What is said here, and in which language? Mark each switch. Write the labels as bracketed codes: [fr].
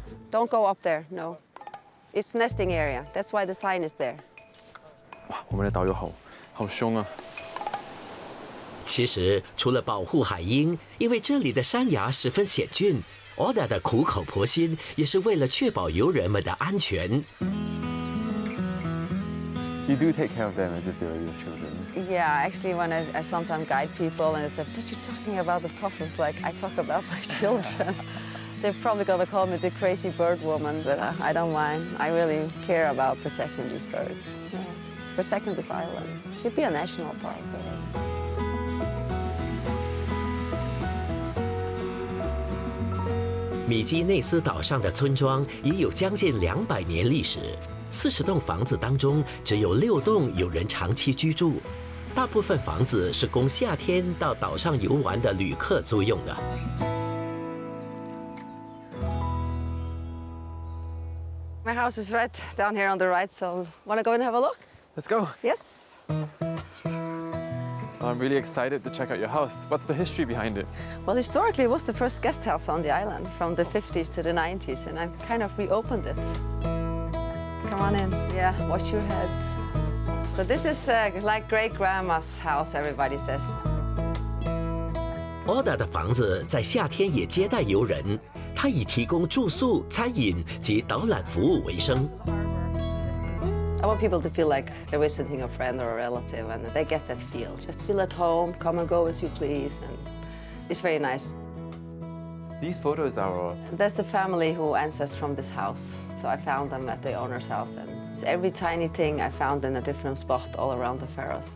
[en] Don't go up there, no. It's nesting area. That's why the sign is there. [zh] 哇，我们的导游好凶啊！其实除了保护海鹰，因为这里的山崖十分险峻。 Oda 的苦口婆心也是为了确保游人们的安全。 [en] You do take care of them as if they were your children. Yeah, actually, when I sometimes guide people and I say, but you're talking about the puffins, like I talk about my children. They're probably gonna call me the crazy bird woman, but I don't mind. I really care about protecting these birds, yeah. Protecting this island. It should be a national park. [zh] 米基内斯岛上的村庄已有将近200年历史，40栋房子当中只有6栋有人长期居住，大部分房子是供夏天到岛上游玩的旅客租用的。 [en] My house is right down here on the right, so wanna go and have a look? Let's go. Yes. I'm really excited to check out your house. What's the history behind it? Well, historically, it was the first guest house on the island from the 50s to the 90s, and I've kind of reopened it. Come on in. Yeah, watch your head. So this is like great grandma's house, everybody says. [zh] Oda 的房子在夏天也接待游人，他以提供住宿、餐饮及导览服务为生。 [en] I want people to feel like they're visiting a friend or a relative, and they get that feel. Just feel at home, come and go as you please, and it's very nice. These photos are all... That's the family who ancestors from this house. So I found them at the owner's house, and so every tiny thing I found in a different spot all around the Faroes.